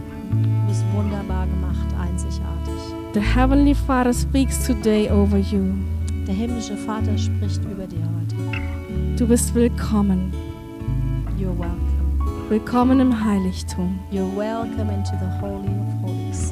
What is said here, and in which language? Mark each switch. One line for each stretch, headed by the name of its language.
German: Du bist wunderbar gemacht, einzigartig.
English: The Heavenly Father speaks today over you.
German: Der himmlische Vater spricht über dir heute. Du bist willkommen.
English: You You're welcome.
German: Willkommen im Heiligtum.
English: You're welcome into the Holy of Holies.